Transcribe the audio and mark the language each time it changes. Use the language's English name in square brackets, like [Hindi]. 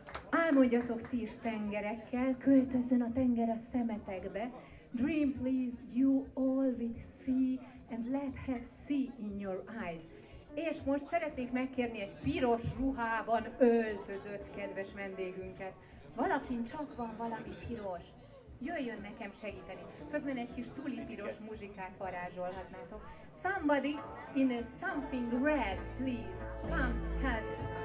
[Hungarian] Álmodjatok ti is tengerekkel, költözzön a tenger a szemetekbe. [English] Dream please you all with sea and let have sea in your eyes. [Hungarian] És most szeretnék megkérni egy piros ruhában öltözött kedves vendégünket. Valakin csak van valami piros. Jöjjön nekem segíteni. Közben egy kis tulipiros muzsikát varázsolhatnátok. [English] Somebody in something red, please. Come help.